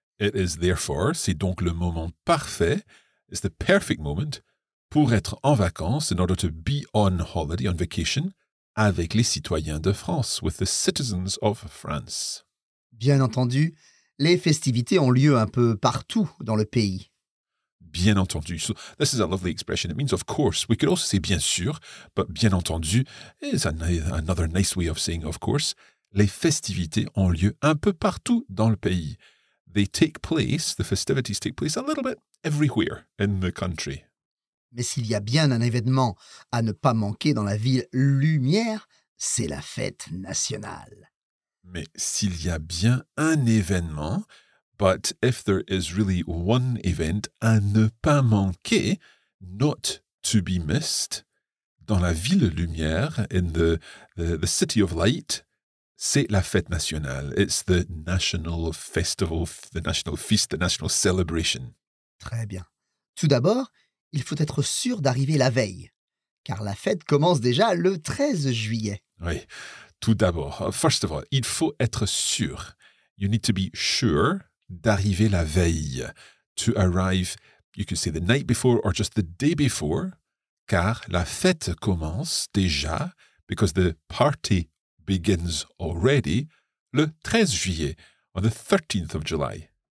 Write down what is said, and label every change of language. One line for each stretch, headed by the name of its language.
English: It is therefore,
French: c'est donc le moment parfait,
English: it's the perfect moment,
French: pour être en vacances,
English: in order to be on holiday, on vacation,
French: avec les citoyens de France,
English: with the citizens of France.
French: Bien entendu, les festivités ont lieu un peu partout dans le pays. Bien entendu.
English: So this is a lovely expression. It means of course. We could also say
French: bien sûr,
English: but
French: bien entendu
English: is another nice way of saying of course.
French: Les festivités ont lieu un peu partout dans le pays.
English: They take place, the festivities take place a little bit everywhere in the country.
French: Mais s'il y a bien un événement à ne pas manquer dans la ville lumière, c'est la fête nationale. Mais s'il y a bien un événement...
English: But if there is really one event
French: à ne pas manquer,
English: not to be missed,
French: dans la ville lumière,
English: in the city of light,
French: c'est la fête nationale.
English: It's the national festival, the national feast, the national celebration.
French: Très bien. Tout d'abord, il faut être sûr d'arriver la veille, car la fête commence déjà le 13 juillet. Oui. Tout d'abord,
English: first of all,
French: il faut être sûr.
English: You need to be sure.
French: D'arriver la veille,
English: to arrive, you could say the night before or just the day before,
French: car la fête commence déjà,
English: because the party begins already,
French: le 13 juillet,
English: on the 13th of July.